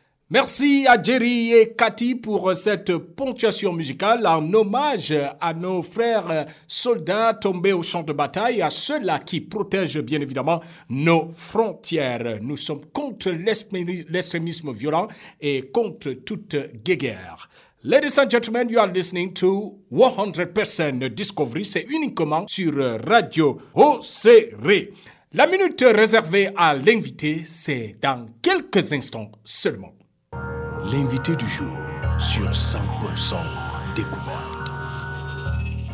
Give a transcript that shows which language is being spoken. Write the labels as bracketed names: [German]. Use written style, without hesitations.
[French] Merci à Jerry et Cathy pour cette ponctuation musicale en hommage à nos frères soldats tombés au champ de bataille, à ceux-là qui protègent bien évidemment nos frontières. Nous sommes contre l'extrémisme violent et contre toute guéguerre. [English] Ladies and gentlemen, you are listening to 100% Discovery. [French] C'est uniquement sur Radio OCR. La minute réservée à l'invité, c'est dans quelques instants seulement. L'invité du jour sur 100% Découverte.